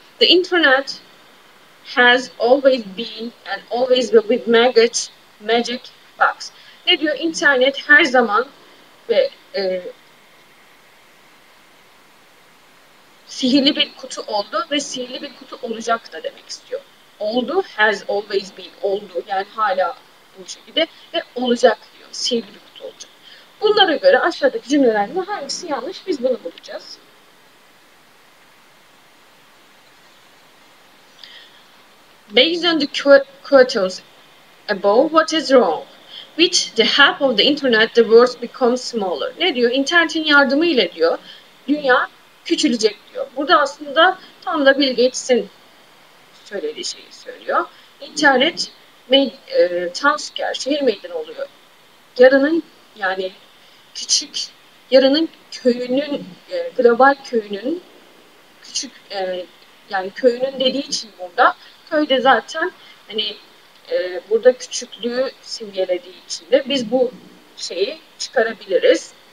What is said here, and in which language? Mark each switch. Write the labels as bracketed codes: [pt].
[en] The internet has always been and always will be magic box. [tr] Ne diyor? İnternet her zaman ve sihirli bir kutu oldu ve sihirli bir kutu olacak da demek istiyor. Oldu, [en] has always been, [tr] oldu yani hala bu şekilde ve olacak diyor. Sihirli bir kutu olacak. Bunlara göre aşağıdaki cümlelerden hangisi yanlış? Biz bunu bulacağız. [en] Based on the quotes quotas above, what is wrong? With the help of the internet, the world becomes smaller. [tr] Ne diyor? İnternetin yardımıyla diyor, dünya küçülecek diyor. Burada aslında tam da Bill Gates'in söylediği şeyi söylüyor. İnternet Townsquare, şehir meydanı oluyor. Yarının, yani küçük, yarının köyünün, global köyünün küçük, yani köyünün dediği için burada, köyde zaten hani burada küçüklüğü simgelediği için de biz bu şeyi çıkarabiliriz.